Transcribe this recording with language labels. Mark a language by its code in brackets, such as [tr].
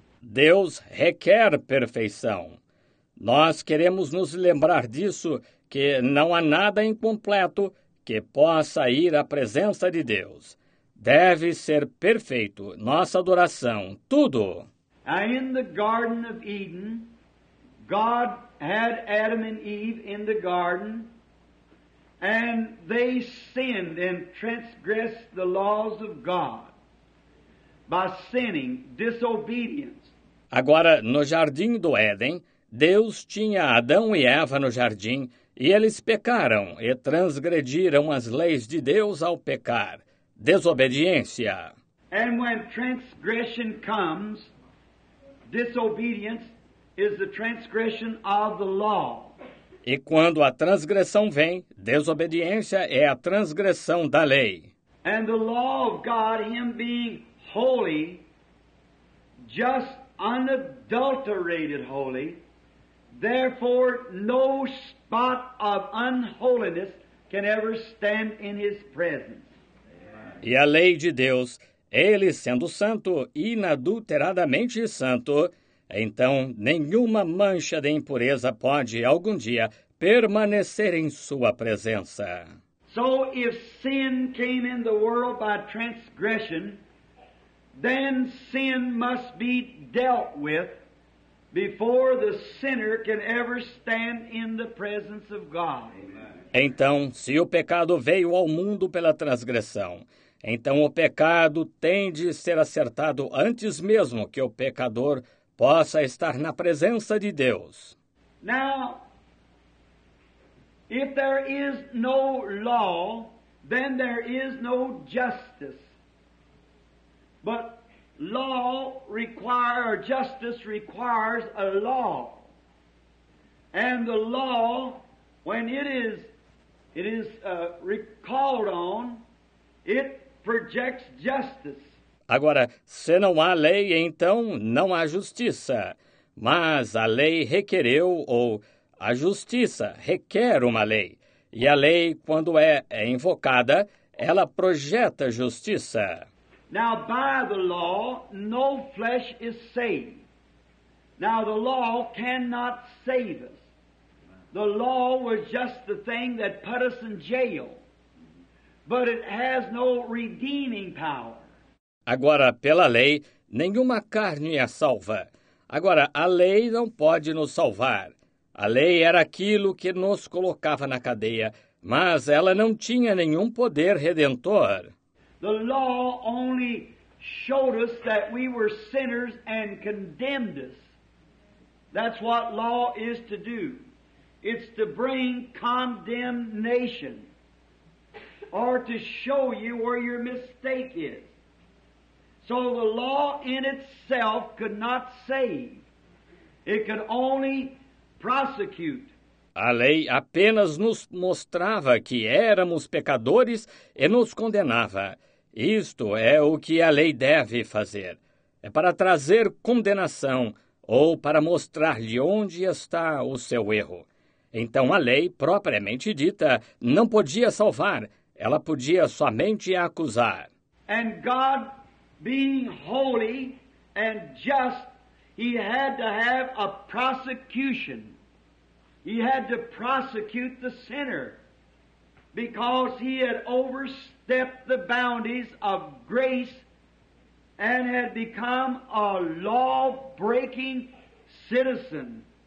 [pt] Deus requer perfeição. Nós queremos nos lembrar disso, que não há nada incompleto que possa ir à presença de Deus. Deve ser perfeito, nossa adoração, tudo. [en] In the Garden of Eden, God had Adam and Eve in the garden, and they sinned and transgressed the laws of God by sinning, disobedience. [pt] Agora, no Jardim do Éden, Deus tinha Adão e Eva no jardim, e eles pecaram e transgrediram as leis de Deus ao pecar. Desobediência. [en] And when transgression comes, disobedience is the transgression of the law. [pt] E quando a transgressão vem, desobediência é a transgressão da lei. [en] And the law of God, Him being holy, just unadulterated holy, therefore no spot of unholiness can ever stand in His presence. [pt] E a lei de Deus, Ele sendo santo, inadulteradamente santo, então nenhuma mancha de impureza pode, algum dia, permanecer em sua presença. [en] So if sin came in the world by transgression, then sin must be dealt with before the sinner can ever stand in the presence of God. [pt] Então, se o pecado veio ao mundo pela transgressão, então o pecado tem de ser acertado antes mesmo que o pecador possa estar na presença de Deus. [en] Now, if there is no law, then there is no justice. But law requires, justice requires a law. And the law, when it is recalled on, it projects justice. [pt] Agora, se não há lei, então não há justiça. Mas a lei requereu, ou a justiça requer uma lei. E a lei, quando é invocada, ela projeta justiça. [en] Now, by the law, no flesh is saved. Now, the law cannot save us. The law was just the thing that put us in jail. But it has no redeeming power. [pt] Agora, pela lei, nenhuma carne é salva. Agora, a lei não pode nos salvar. A lei era aquilo que nos colocava na cadeia, mas ela não tinha nenhum poder redentor. [en] The law only showed us that we were sinners and condemned us. That's what law is to do. It's to bring condemnation or to show you where your mistake is. So the law in itself could not save. It could only prosecute. [pt] A lei apenas nos mostrava que éramos pecadores e nos condenava. Isto é o que a lei deve fazer. É para trazer condenação ou para mostrar-lhe onde está o seu erro. Então a lei, propriamente dita, não podia salvar. Ela podia somente acusar. [en] And God, being holy and just, he had to have a prosecution. He had to prosecute the sinner because he had overstepped the boundaries of grace and had become a law-breaking citizen.